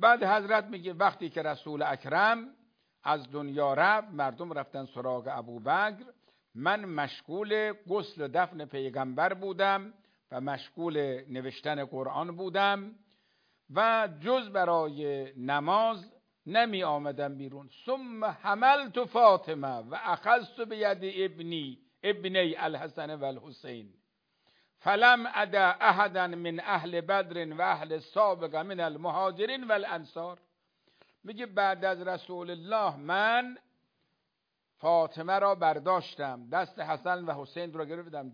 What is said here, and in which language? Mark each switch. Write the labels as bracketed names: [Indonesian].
[Persian] بعد حضرت میگه وقتی که رسول اکرم از دنیا رفت، مردم رفتن سراغ ابوبکر، من مشغول غسل و دفن پیغمبر بودم و مشغول نوشتن قرآن بودم و جز برای نماز نمی آمدم بیرون. [Arabic] ثم حملت فاطمه و اخذت بيد ابني ابني الحسن والحسين فلم ادع احدا من اهل بدر و اهل سابق من المهاجرين والانصار. [Persian] میگه بعد از رسول الله من فاطمه را برداشتم، دست حسن و حسین را گرفتم.